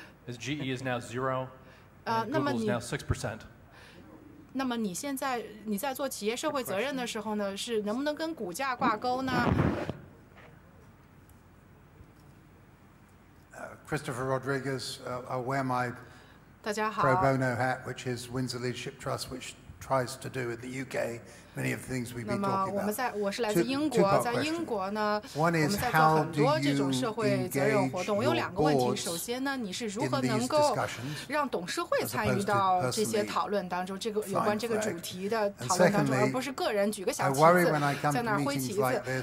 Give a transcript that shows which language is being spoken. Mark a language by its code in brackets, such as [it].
[en] GE is now zero and Google is now 6%。 [zh] 那么你在做企业社会责任的时候呢，是能不能跟股价挂钩呢？ [en] Christopher Rodriguez, I wear my pro bono hat, which is Windsor Leadership Trust, which tries to do in the UK many of the things we've been talking about. [zh] 我是来自英国，在英国呢，我们在做很多这种社会责任活动。我有两个问题，首先呢，你是如何能够让董事会参与到这些讨论当中，这个有关这个主题的讨论当中，而不是个人举个小旗子在那挥旗子。